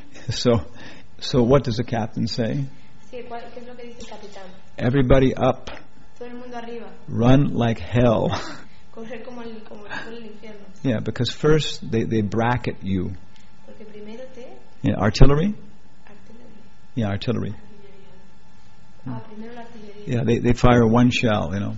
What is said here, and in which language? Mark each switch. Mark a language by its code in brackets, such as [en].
[en] So what does the captain say? [es] Sí, ¿qué es lo que dice el capitán? [en] Everybody up. [es] Todo el mundo arriba. [en] Run like hell. [es] Correr como el infierno. [en] Yeah, because first they bracket you. [es] Porque primero te... [en] Yeah, artillery. Artillery. Yeah, artillery. Mm. Yeah, they fire one shell, you know.